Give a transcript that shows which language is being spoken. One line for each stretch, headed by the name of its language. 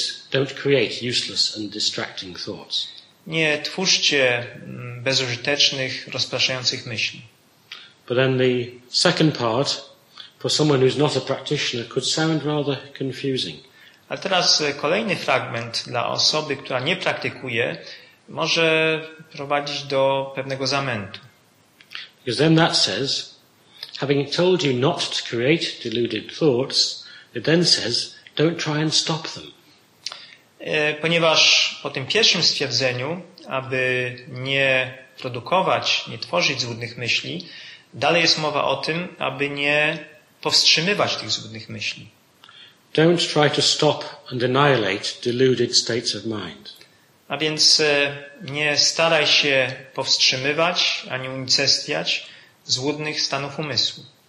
English: Don't create useless and distracting thoughts.
Polish: Nie twórzcie bezużytecznych, rozpraszających myśli.
English: But then the second part, for someone who's not a practitioner, could sound rather confusing.
Polish: A teraz kolejny fragment dla osoby, która nie praktykuje, może prowadzić do pewnego zamętu.
English: Because then that says, having told you not to create deluded thoughts, it then says, don't try and stop them.
Polish: Ponieważ po tym pierwszym stwierdzeniu, aby nie produkować, nie tworzyć złudnych myśli, dalej jest mowa o tym, aby nie powstrzymywać tych złudnych myśli.
English: Don't try to stop and annihilate deluded states of mind.
Polish: A więc nie staraj się powstrzymywać ani unicestwiać złudnych stanów umysłu.